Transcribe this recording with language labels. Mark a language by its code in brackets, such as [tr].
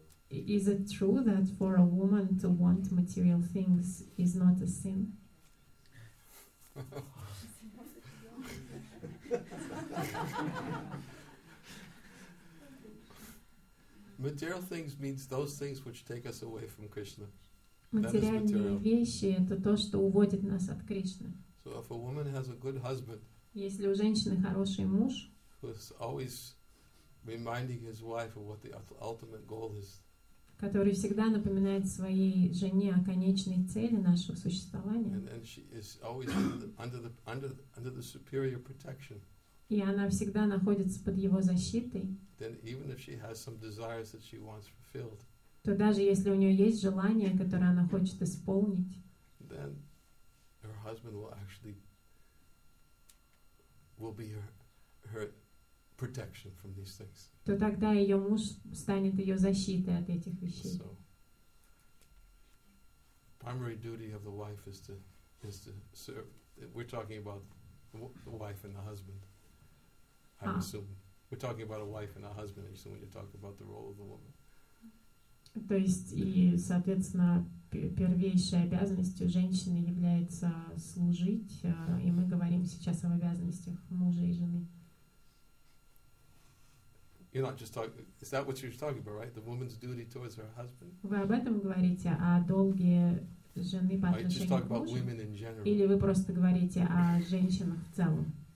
[en] Is it true that for a woman to want material things is not a sin? Material things means those things which take us away from Krishna. [ru] Материальные вещи — это то, что уводит нас от Кришны. [en] So if a woman has a good husband, [ru] если у женщины хороший муж, [en] who is always reminding his wife of what the ultimate goal is, [ru] который всегда напоминает своей жене о конечной цели нашего существования. [en] And she is always under the superior protection. [ru] И она всегда находится под его защитой. [en] Then even if she has some desires that she wants fulfilled, [ru] то даже если у нее есть желание, которое она хочет исполнить, [en] then her husband will actually will be her protection from these things. [ru] То тогда ее муж станет ее защитой от этих вещей. [en] So, primary duty of the wife is to serve. We're talking about the wife and the husband. I assume. We're talking about a wife and a husband. I assume when you talk about the role of the woman. [ru] То есть и, соответственно, первейшей обязанностью женщины является служить, и мы говорим сейчас об обязанностях мужа и жены. [en] You're not just talking. Is that what you're talking about, right? The woman's duty towards her husband. [ru] Вы об этом говорите, о долге жены по отношению к мужу? [en] Just talk about women in general. [ru] Или вы просто говорите о женщинах в целом?